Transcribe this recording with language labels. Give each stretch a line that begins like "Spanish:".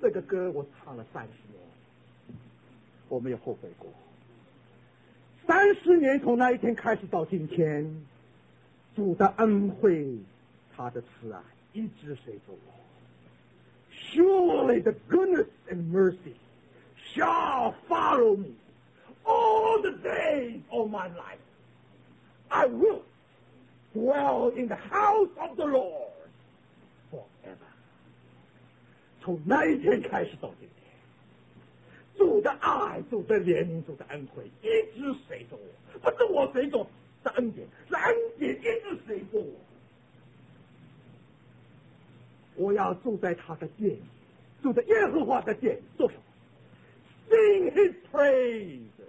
Chinese: 这个歌我唱了30年，我没有后悔过。 30年从那一天开始到今天，主的恩惠，他的慈爱一直随着我。
English: Surely the goodness and mercy shall follow meAll the days of my life, I will dwell in the house of the Lord forever.
Chinese: 从那一天开始到今天，主的爱、主的怜悯、主的恩惠一直随着我，不是我随着，是恩典，是恩典一直随着我。我要住在他的殿，住在耶和华的殿，做什么 ？
English: Sing His praise.